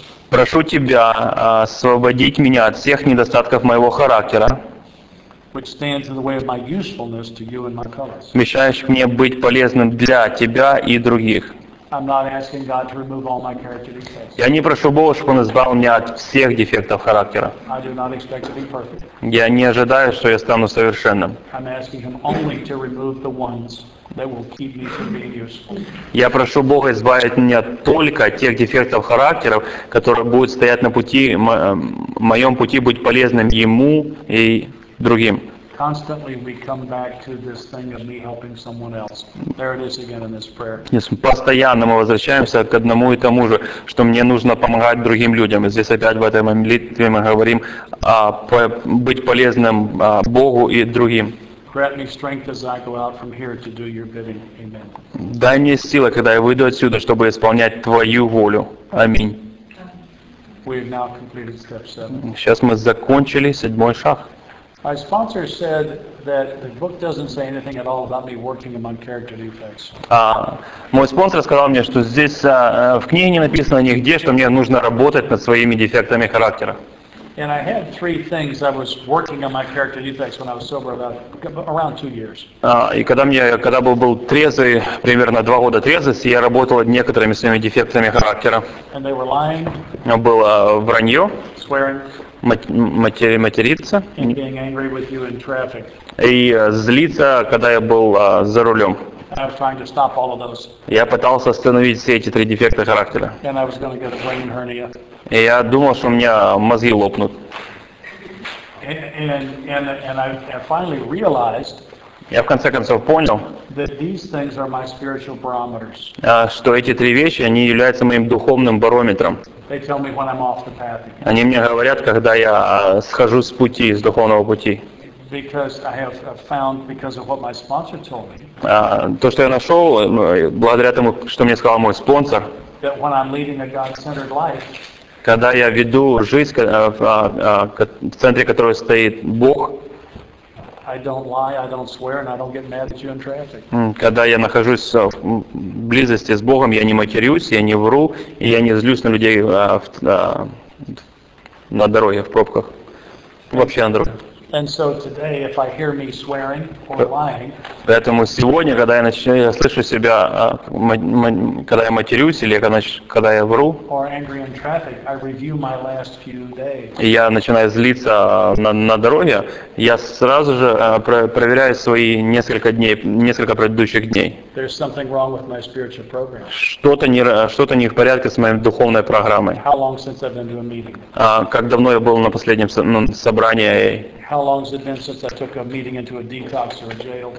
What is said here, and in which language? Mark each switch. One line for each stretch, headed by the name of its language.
Russian: Прошу тебя освободить меня от всех недостатков моего характера, мешающих мне быть полезным для тебя и других.
English: I'm not asking God to remove all my character defects.
Russian: Я не прошу Бога, чтобы Он избавил меня от всех дефектов характера.
English: I do not expect to be perfect.
Russian: Я не ожидаю, что я стану совершенным.
English: I'm asking Him only to remove the ones that will keep me from being useful.
Russian: Я прошу Бога избавить меня только от тех дефектов характеров, которые будут стоять на пути, моем пути быть полезным Ему и другим.
English: Constantly we come back to this thing of me helping someone else. There it is again in this prayer.
Russian: Yes, постоянно мы возвращаемся к одному и тому же, что мне нужно помогать другим людям. И здесь опять в этой молитве мы говорим быть полезным Богу и другим.
English: Grant me strength as I go out from here to do your bidding. Amen.
Russian: Дай мне силы, когда я выйду отсюда, чтобы исполнять твою волю. Аминь.
English: We have now completed step seven.
Russian: Сейчас мы закончили седьмой шаг.
English: My sponsor said that the book doesn't say anything at all about me working among character defects.
Russian: Мой спонсор сказал мне, что здесь в книге не написано нигде, что мне нужно работать над своими дефектами характера.
English: And I had three things I was working on my character defects when I was sober about around 2 years.
Russian: И когда был трезвый, примерно 2 года трезвости, я работал над некоторыми своими дефектами характера.
English: And they were lying.
Russian: Было вранье.
English: Swearing.
Russian: Материться
English: and being angry with you in traffic.
Russian: И злиться, когда я был за рулем.
English: I was trying to stop all of those.
Russian: Я пытался остановить все эти три дефекта характера.
English: And I was going to get a brain hernia.
Russian: И я думал, что у меня мозги лопнут.
English: And I finally realized.
Russian: Я в конце концов понял,
English: that these things are my spiritual barometers.
Russian: Что эти три вещи, они являются моим духовным барометром.
English: They tell me when I'm off the path again.
Russian: Они мне говорят, когда я схожу с пути, с духовного пути.
English: Because I have found because of what my sponsor told me.
Russian: То, что я нашел, благодаря тому, что мне сказал мой спонсор.
English: That when I'm leading a God-centered life.
Russian: Когда я веду жизнь в центре которой стоит Бог.
English: I don't lie, I don't swear, and I don't get mad at you in traffic.
Russian: Когда я нахожусь в близости с Богом, я не матерюсь, я не вру, и я не злюсь на людей на дороге, в пробках, вообще на дороге.
English: And so today, if I hear me swearing or lying,
Russian: поэтому сегодня, когда я слышу себя, когда я матерюсь или когда я вру,
English: or angry in traffic, I review my last few days.
Russian: И я начинаю злиться на дороге, я сразу же проверяю свои несколько предыдущих дней.
English: There's something wrong with my spiritual program.
Russian: Что-то не в порядке с моей духовной программой.
English: How long since I've been to a meeting?
Russian: Как давно я был на последнем собрании?
English: How long has it been since I took a meeting into a detox or a jail?